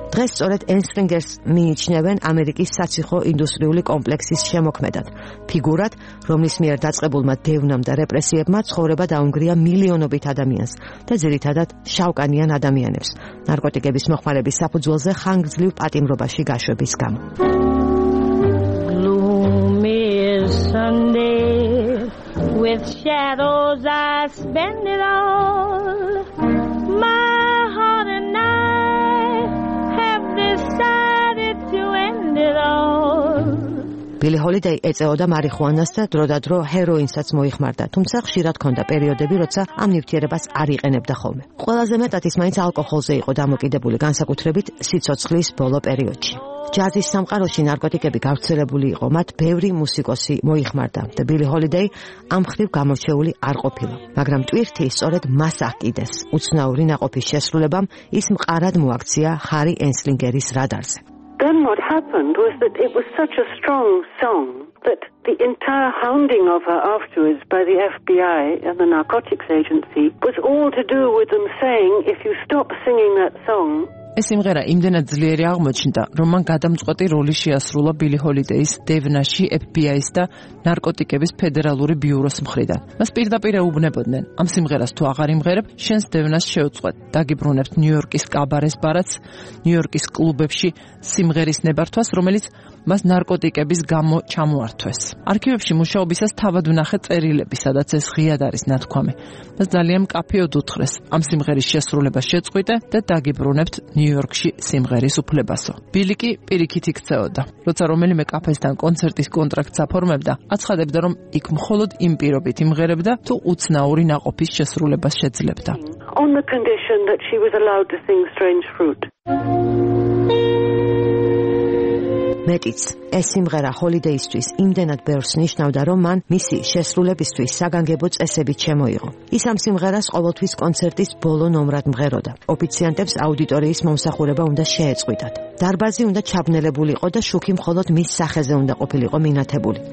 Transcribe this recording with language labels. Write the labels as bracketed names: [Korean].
[Georgian] დღეს სწორედ ენსლინგერს მიიჩნევენ ამერიკის საციხო ინდუსტრიული კომპლექსის შემოქმედად, ფიგურად, რომლის მიერ დაწყებულმა დევნამ და რეპრესიებმა ცხოვრება დაუნგრია მილიონობით ადამიანს და ძირითადად შავკანიან ადამიანებს, ნარკოტიკების მოხმარების საფუძველზე ხანგრძლივ პატიმრობაში გაშვების გამო. [English] Gloomy Sunday with shadows I spend it all. My heart and I have decided to end it all. [Georgian] ბილი ჰოლიდეი ეწეოდა მარიხუანას და დროდადრო ჰეროინსაც მოიხმარდა, თუმცა ხშირად ჰქონდა პერიოდები, როცა ამ ნივთიერებას არ იყენებდა ხოლმე. ყველაზე მეტად ის მაინც ალკოჰოლზე იყო დამოკიდებული, განსაკუთრებით სიცოცხლის ბოლო პერიოდში. ჯაზის სამყაროში ნარკოტიკები გავრცელებული იყო, მათ ბევრი მუსიკოსი მოიხმარდა და ბილი ჰოლიდეი ამ მხრივ გამორჩეული არ ყოფილა. მაგრამ ტვირთი სწორედ მას აკიდეს. უცნაური ნაყოფის შესრულებამ ის მყარად მოაქცია ჰარი ენსლინგერის რადარზე. [English] Then what happened was that it was such a strong song that the entire hounding of her afterwards by the FBI and the narcotics agency was all to do with them saying if you stop singing that song [Georgian] ეს სიმღერა იმდენად ძლიერი აღმოჩნდა, რომ მან გადამწყვეტი როლი შეასრულა ბილი ჰოლიდეის დევნაში FBI-ს და ნარკოტიკების ფედერალური ბიუროს მხრიდან. მას პირდაპირ ეუბნებოდნენ: ამ სიმღერას თუ აღარ იმღერებ, შენს დევნას შეუწყვეტ. დაგიბრუნებთ ნიუ-იორკის კაბარეს ბარათს, ნიუ-იორკის კლუბებში სიმღერის ნებართვას, რომელიც მას ნარკოტიკების გამო ჩამოართვეს. არქივებში მუშაობისას თავად ვნახე წერილები, სადაც ეს ღიად არის ნათქვამი. მას ძალიან მკაფიოდ უთხრეს: ამ სიმღერის შესრულება შეწყვიტე და დაგიბრუნებთ ნიუ-იორკში სიმღერის უფლებასო. ბილი კი პირიქით იქცეოდა. როცა რომელიმე კაფესთან კონცერტის კონტრაქტს აფორმებდა, აცხადებდა, რომ იქ მხოლოდ იმ პირობით იმღერებდა, თუ უცნაური ნაყოფის შესრულებას შეძლებდა. [English] On the condition that she was allowed to sing Strange Fruit. [Georgian] მეტიც, ეს სიმღერა ჰოლიდეისთვის იმდენად ბევრს ნიშნავდა, რომ მან მისი შესრულებისთვის საგანგებო წესები ჩემოიღო. ის ამ სიმღერას ყოველთვის კონცერტის ბოლო ნომრად მღეროდა. ოფიციანტებს აუდიტორიის მომსახურება უნდა შეეწყვიტათ. დარბაზი უნდა ჩაბნელებულიყო და შუქი მხოლოდ მის სახეზე უნდა ყოფილიყო მინათებული.